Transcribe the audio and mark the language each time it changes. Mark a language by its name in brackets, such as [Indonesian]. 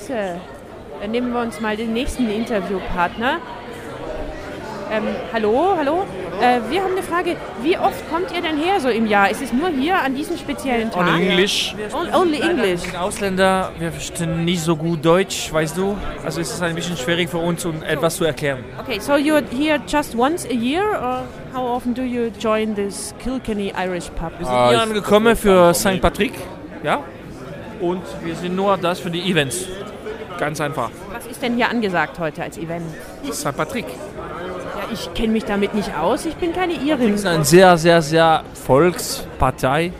[German] Dann nehmen wir uns mal den nächsten Interviewpartner. Hallo. Wir haben eine Frage. Wie oft kommt ihr denn her so im Jahr? Ist es nur hier an diesem speziellen Tag? [English] Only English. Only English. [German] Wir sind Ausländer, wir verstehen nicht so gut Deutsch, weißt du? Also ist es ein bisschen schwierig für uns, um etwas zu erklären. [English] Okay, so you're here just once a year? Or how often do you join this Kilkenny Irish Pub? [German] Wir sind hier angekommen für St. Patrick. Ja. Und wir sind nur das für die Events. Ganz einfach. Was ist denn hier angesagt heute als Event? St. Patrick. Ja, ich kenne mich damit nicht aus, ich bin keine Irin. Das ist eine sehr, sehr, sehr Volkspartei.